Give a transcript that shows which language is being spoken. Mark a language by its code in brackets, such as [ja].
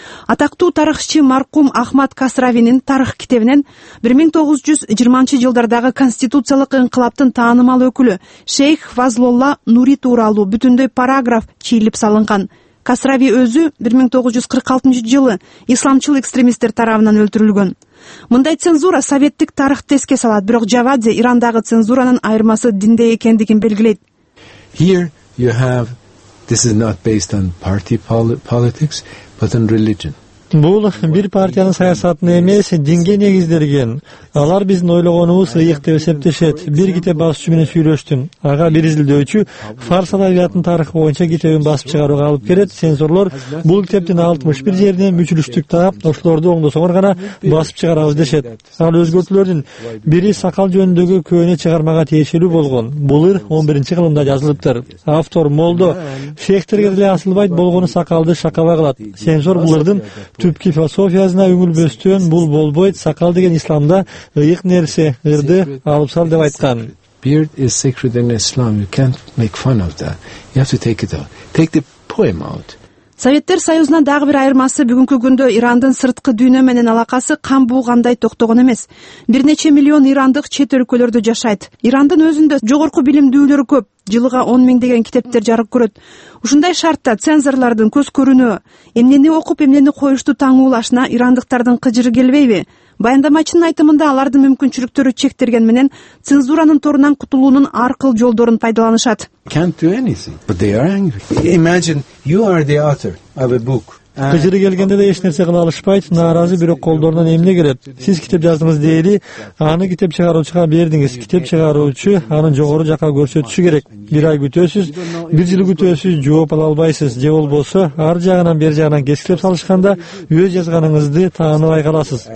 [ky] Атактуу тарыхчы маркум Ахмад Касравинин тарых китебинен 1920 жылдардагы конституциялык инкылаптын таанымал өкүлү Шейх Фазлолла Нури тууралуу бүтүндөй параграф чийилип салынган. Касрави өзү 1946 жылы исламчыл экстремисттер тарабынан өлтүрүлгөн. Мындай цензура советтик тарыхты эске салат, бирок Жавади Ирандагы цензуранын айырмасы динде экендигин белгилейт. [en] Here you have, this is not based on party politics, but on religion. [ky] Бул бир партиянын саясатына эмес, динге негизделген. Алар биздин ойлогонубуз ыйык деп эсептешет. Бир китеп басчы менен сүйлөштүм. Ага бир изилдөөчү фарс адабиятынын тарыхы боюнча китебин басып чыгарууга алып келет. Цензорлор бул китептин 61 жерине мүчүлүштүк таап, ошолорду оңдосоңор гана басып чыгарабыз дешет. Ал өзгөртүүлөрдүн бири сакал жөнүндөгү көөнө чыгармага тиешелүү болгон. Бул 11-чи кылымда жазылыптыр. Автор молдо шектерге деле асылбайт, болгону сакалды шакаба кылат. Цензор булардын түпкү философиясына үңүлбөстөн, бул болбойт, сакал деген исламда ыйык нерсе, ырды алып сал деп айткан. [en] Beard is sacred in Islam, you can't make fun of that, you have to take it out, take the poem out. [ky] Советтер Союзуна дагы бир айырмасы бүгүнкү күндө Ирандын сырткы дүйнө менен алакасы кам буугандай токтогон эмес. Бир нече миллион ирандык чет өлкөлөрдө жашайт. Ирандын өзүндө жогорку билимдүүлөр көп. Жылыга 10,000 китептер жарык көрөт. Ушундай шартта цензорлордун көз көрүнө, эмнени окуп эмнени коюшту таңуулашына ирандыктардын кыжыры келбейби? Баяндамачынын айтымында алардын мүмкүнчүлүктөрү чектелген менен цензуранын торунан кутулуунун аркыл жолдорун пайдаланышат. [en] Can't do anything, but they are angry. Imagine you are the author of a book. [ky] Кыжыры келгенде да эч нерсе кыла алышпайт, нааразы, бирок колдорунан эмне келет? Сиз китеп жаздыңыз дейли, аны китеп чыгаруучуга бердиңиз. Китеп чыгаруучу анын жогору жака көрсөтүшү керек. Бир ай күтөсүз, бир жыл күтөсүз, жооп ала албайсыз. Же болбосо ар жагынан бери жагынан кескилеп салышканда өз жазганыңызды тааныбай каласыз.